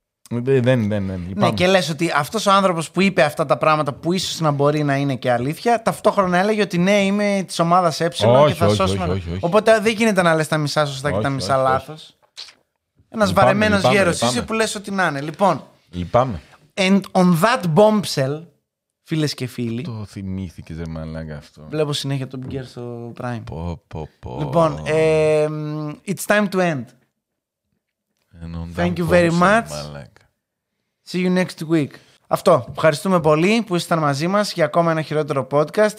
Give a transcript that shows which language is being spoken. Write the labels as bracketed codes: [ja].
[el] Δεν. Ναι, και λες ότι αυτός ο άνθρωπος που είπε αυτά τα πράγματα που ίσως να μπορεί να είναι και αλήθεια, ταυτόχρονα έλεγε ότι ναι, είμαι της ομάδας έψιλον και θα σώσουμε. Όχι. Οπότε δεν γίνεται να λες τα μισά σωστά και τα μισά λάθος. Ένας βαρεμένος γέρος είσαι που λες ότι να είναι. Λοιπόν. Λυπάμαι. [en] And on that bombshell, [el] φίλες και φίλοι. Το θυμήθηκες, ρε μαλάκα αυτό. Βλέπω συνέχεια τον Μπιγκέρ στο Prime. Πω. Λοιπόν. [en] It's time to end. And on thank that you bombshell, very much. [el] Μαλάκα. [en] See you next week. [el] Αυτό. Ευχαριστούμε πολύ που ήσασταν μαζί μας για ακόμα ένα χειρότερο podcast.